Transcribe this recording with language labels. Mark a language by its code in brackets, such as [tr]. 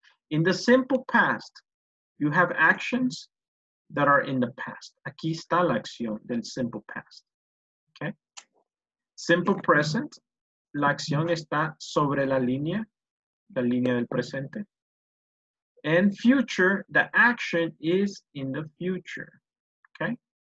[en] In the simple past, you have actions that are in the past. [es] Aquí está la acción del simple past, okay? Simple present, la acción está sobre la línea del presente. [en] And future, the action is in the future, okay?